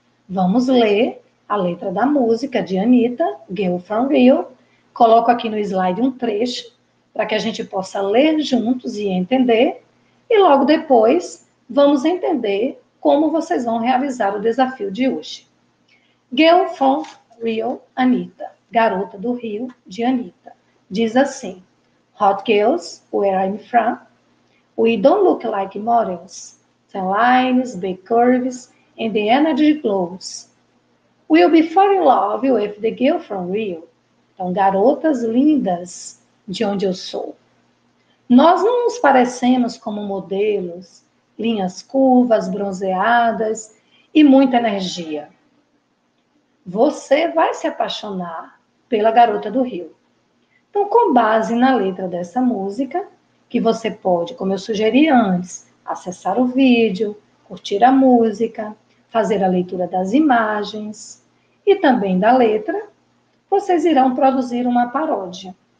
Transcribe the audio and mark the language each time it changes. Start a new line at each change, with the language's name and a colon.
Portuguese: Vamos ler a letra da música de Anitta, Girl from Rio. Coloco aqui no slide um trecho para que a gente possa ler juntos e entender, e logo depois vamos entender como vocês vão realizar o desafio de hoje. Girl from Rio, Anitta. Garota do Rio, de Anitta. Diz assim:
English: Hot girls, where I'm from, we don't look like models. Tan lines, big curves, and the energy glows. We'll be falling in love with the girl from Rio.
Portuguese: Então, garotas lindas, de onde eu sou. Nós não nos parecemos como modelos, linhas curvas, bronzeadas e muita energia. Você vai se apaixonar pela garota do Rio. Então, com base na letra dessa música, que você pode, como eu sugeri antes, acessar o vídeo, curtir a música, fazer a leitura das imagens e também da letra, vocês irão produzir uma paródia.